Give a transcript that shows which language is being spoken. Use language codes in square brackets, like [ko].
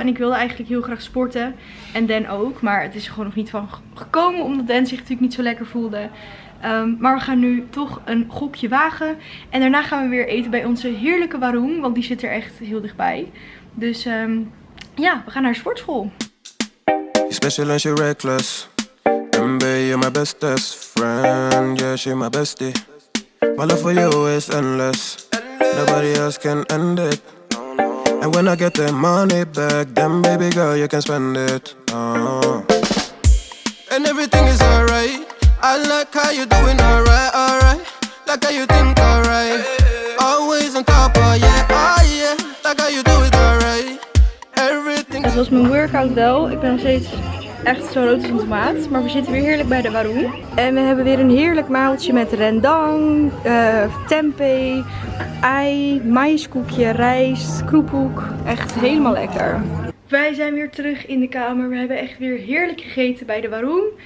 [nl] En ik wilde eigenlijk heel graag sporten. En Dan ook. Maar het is er gewoon nog niet van gekomen. Omdat Dan zich natuurlijk niet zo lekker voelde. Maar we gaan nu toch een gokje wagen. En daarna gaan we weer eten bij onze heerlijke Warung. Want die zit er echt heel dichtbij. Dus ja, we gaan naar de sportschool. [en] Special and you're reckless. MB, you're my bestest friend. Yes, you're my bestie. My love for you is endless. Nobody else can end it. And when I get the money back, then baby girl, you can spend it. And everything is alright. I like how you're doing alright, alright. Like how you think alright. Always on top of yeah, oh yeah. Like how you do it alright. Everything. [nl] Het was mijn workout wel. Ik ben nog steeds echt zo rood als een tomaat. Maar we zitten weer heerlijk bij de Warung. En we hebben weer een heerlijk maaltje met rendang, tempeh, ei, maïskoekje, rijst, kroephoek. Echt helemaal lekker. Wij zijn weer terug in de kamer. We hebben echt weer heerlijk gegeten bij de Warung.